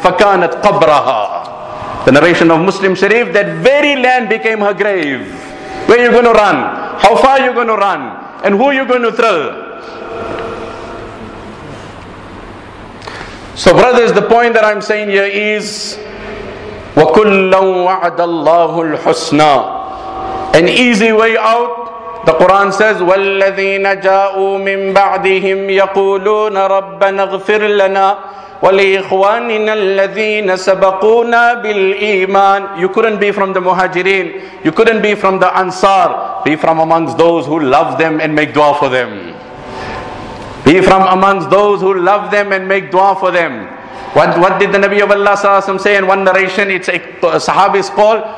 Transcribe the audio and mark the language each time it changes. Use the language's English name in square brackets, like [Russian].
[Arabic] Fakanat qabraha. [English] The narration of Muslim Sharif, that very land became her grave. Where are you going to run? How far are you going to run? And who are you going to throw? So brothers, the point that I'm saying here is, [Arabic] وَكُلَّا وَعَدَ اللَّهُ الْحُسْنَى. [English] An easy way out, the Quran says, [Arabic] وَالَّذِينَ جَاءُوا مِن بَعْدِهِمْ يَقُولُونَ رَبَّنَا اغْفِرْ لَنَا وَلِإِخْوَانِنَا الَّذِينَ سَبَقُونَا بِالْإِيمَانِ. [English] You couldn't be from the Muhajirin, you couldn't be from the Ansar, be from amongst those who love them and make dua for them. Be from amongst those who love them and make dua for them. What did the Nabi of Allah Sallallahu Alaihi Wasallam say in one narration? It's a sahabi's call.